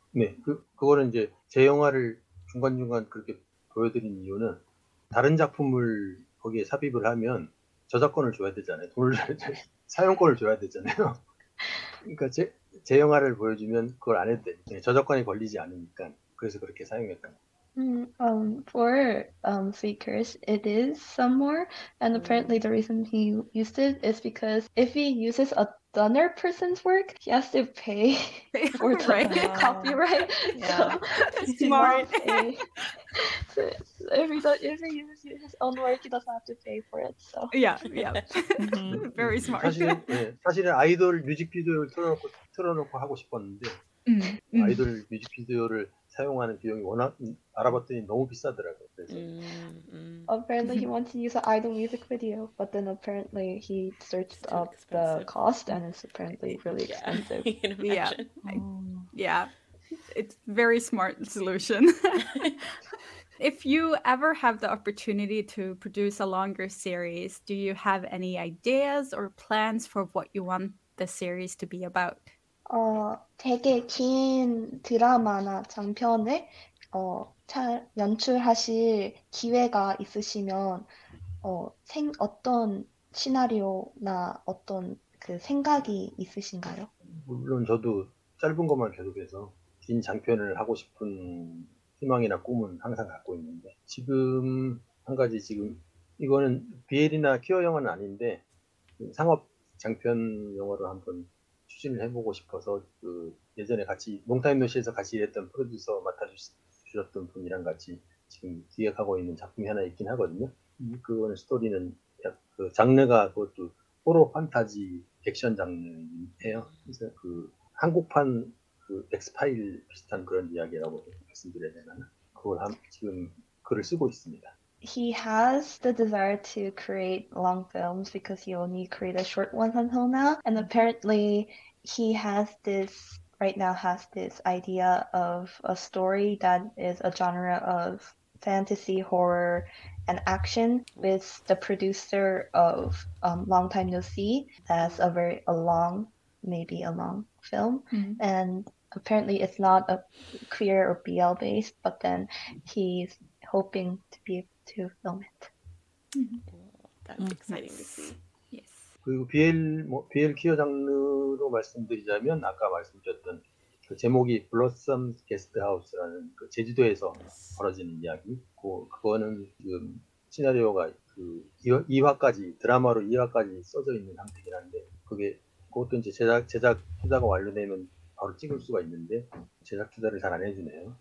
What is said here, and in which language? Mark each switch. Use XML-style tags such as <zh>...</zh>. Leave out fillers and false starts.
<ko>네, 그거는 이제 제 영화를 중간중간 그렇게 보여드린 이유는 다른 작품을 거기에 삽입을 하면 저작권을 줘야 되잖아요. 돈을 사용권을 줘야 되잖아요. 그러니까 제 영화를 보여주면 그걸 안 해도 돼. 저작권이 걸리지 않으니까. 그래서 그렇게 사용했다.</ko> <en>For Sweet Curse, it is Some More, and apparently the reason he used it is because if he uses a donor person's work, he has to pay for the copyright. Yeah. Smart. So if he uses his own work, he doesn't have to pay for it. So yeah. Very smart.</en> <ko>사실은 아이돌 뮤직비디오를 틀어놓고 하고 싶었는데 아이돌 뮤직비디오를 사용하는 비용이 워낙 알아봤더니 너무 비싸더라고요. 그래서.</ko> <en>Apparently he wants to use an idol music video, but then apparently he searched up the cost and it's apparently really expensive. You can imagine. It's very smart solution. If you ever have the opportunity to produce a longer series, do you have any ideas or plans for what you want the series to be about?</en> <ko>되게 긴 드라마나 장편을 잘 연출하실 기회가 있으시면 어떤 시나리오나 어떤 그 생각이 있으신가요? 물론 저도 짧은 것만 계속해서 긴 장편을 하고 싶은 희망이나 꿈은 항상 갖고 있는데 지금 한 가지 지금 이거는 BL이나 퀴어 영화는 아닌데 상업 장편 영화로 한번 추진을 해보고 싶어서 그 예전에 같이 롱타임노시에서 같이 일했던 프로듀서 맡아주셨던 분이랑 같이 지금 기획하고 있는 작품이 하나 있긴 하거든요. 그거는 스토리는 그 장르가 그것도 호러 판타지 액션 장르예요. 그래서 그 한국판 그 엑스파일 비슷한 그런 이야기라고 말씀드려야 되나? 그걸 지금 글을 쓰고 있습니다.</ko> <en>He has the desire to create long films because he only created short ones until now. And apparently he has this idea of a story that is a genre of fantasy, horror, and action with the producer of Long Time No See as a long maybe a long film. Mm-hmm. And apparently it's not a queer or BL based, but then he's hoping to be able to film it. That's exciting to see.</en> <ko>Yes. 그 BL 퀴어 장르로 말씀드리자면 아까 말씀드렸던 그 제목이 Blossom Guest House라는 그 제주도에서 벌어지는 이야기. 그거는 지금 시나리오가 그 2화까지 드라마로 2화까지 써져 있는 상태긴 한데 그게 그것도 이제 제작 투자가 완료되면 바로 찍을 수가 있는데 제작 투자를 잘 안 해주네요.</ko>